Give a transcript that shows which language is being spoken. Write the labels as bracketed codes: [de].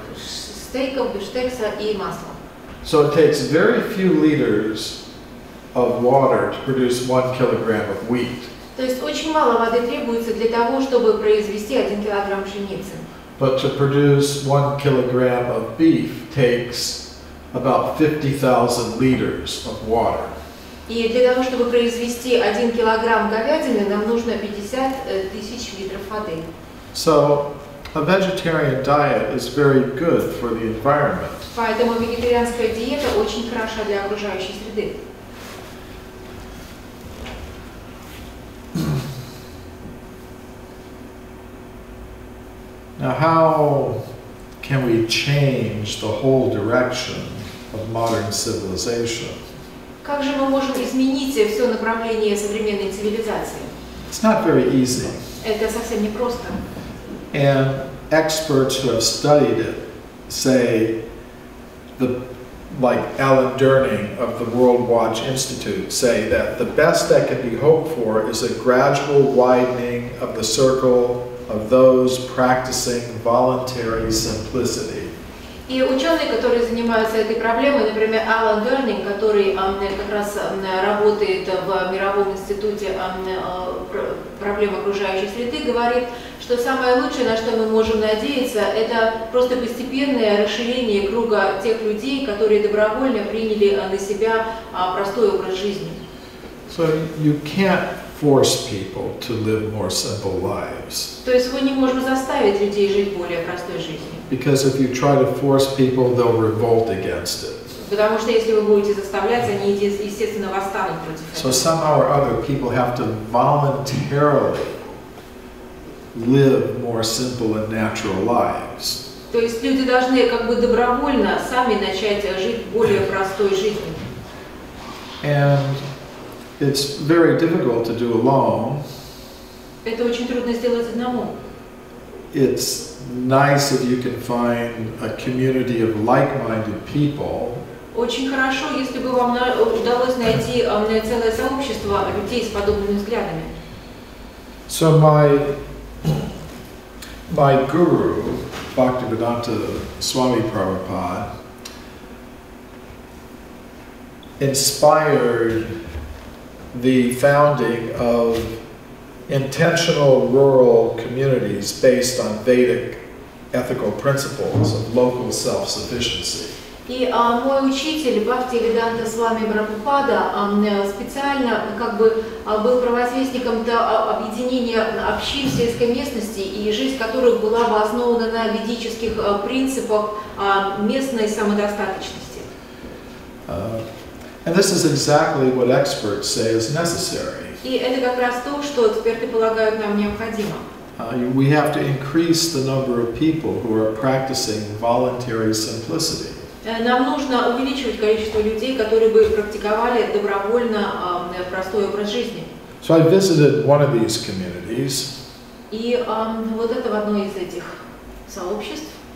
[ru] Стейков, бифштекса и масла. [en] So it takes very few liters of water to produce 1 kilogram of wheat. [ru] То есть очень мало воды требуется для того, чтобы произвести 1 килограмм пшеницы. [en] But to produce 1 kilogram of beef takes about 50,000 liters of water. [ru] И для того, чтобы произвести 1 килограмм говядины, нам нужно 50 тысяч литров воды. [en] So a vegetarian diet is very good for the environment. [ru] Поэтому вегетарианская диета очень хороша для окружающей среды. [en] Now, how can we change the whole direction of modern civilization? [ru] Как же мы можем изменить все направление современной цивилизации? [en] It's not very easy. [ru] Это совсем непросто. [en] And experts who have studied it say, like Alan Derning of the World Watch Institute, say that the best that can be hoped for is a gradual widening of the circle of those practicing voluntary simplicity. [ru] И ученые, которые занимаются этой проблемой, например, Алан Дернинг, который как раз работает в Мировом институте проблем окружающей среды, говорит, что самое лучшее, на что мы можем надеяться, это просто постепенное расширение круга тех людей, которые добровольно приняли на себя простой образ жизни. [en] So you can't force people to live more simple lives. [ru] То есть мы не можем заставить людей жить более простой жизнью. [en] Because if you try to force people, they'll revolt against it. [ru] Потому что если вы будете заставлять, они естественно восстанут против этого. [en] So somehow or other, people have to voluntarily live more simple and natural lives. [ru] То есть люди должны как бы добровольно сами начать жить более простой жизнью. [en] And it's very difficult to do alone. [ru] Это очень трудно сделать одному. [en] It's nice if you can find a community of like-minded people. [ru] Очень хорошо, если бы вам удалось найти целое сообщество людей с подобными взглядами. [en] So my guru, Bhaktivedanta Swami Prabhupada, inspired the founding of intentional rural communities based on Vedic ethical principles of local self-sufficiency. [ru] И мой учитель Бхактивиданта Свами Прабхупада специально как бы был провозвестником объединения общин сельской местности и жизнь которых была бы основана на ведических принципах местной самодостаточности. [en] And this is exactly what experts say is necessary. [ru] И это как раз то, что эксперты полагают нам необходимо. [en] We have to increase the number of people who are practicing voluntary simplicity. [ru] Нам нужно увеличивать количество людей, которые бы практиковали добровольно простой образ жизни. [en] So I visited one of these communities. [ru] И вот это в одной из этих сообществ.